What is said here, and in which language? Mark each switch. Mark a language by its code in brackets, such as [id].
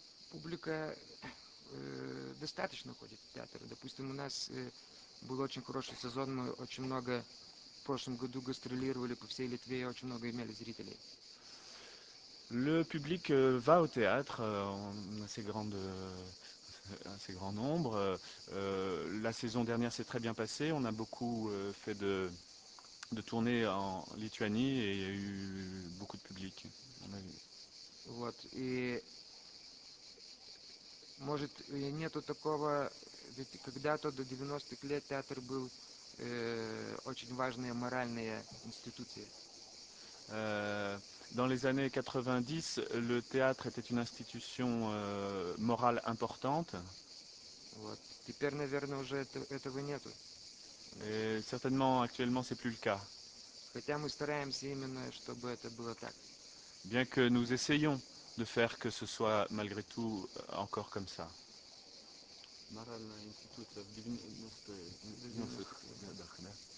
[ru] публика достаточно ходит в театр. Допустим, у нас был очень хороший сезон, мы очень много в прошлом году гастролировали по всей Литве и очень много имели зрителей. [fr] Le public va au théâtre en assez grand nombre. La saison dernière s'est très bien passée. On a beaucoup fait de tournées en Lituanie et il y a eu beaucoup de public. On a vu. [ru] Вот. И может нету такого, ведь когда-то до 90-х лет театр был очень важной моральной институцией. [fr] Dans les années 90, le théâtre était une institution morale importante. [ru] Вот. Теперь, наверное, уже этого нету. [fr] Et certainement, actuellement, c'est plus le cas. [ru] Хотя мы стараемся именно, чтобы это было так. [fr] Bien que nous essayons de faire que ce soit malgré tout encore comme ça. [ru] Моральная институция в 90-х годах, да?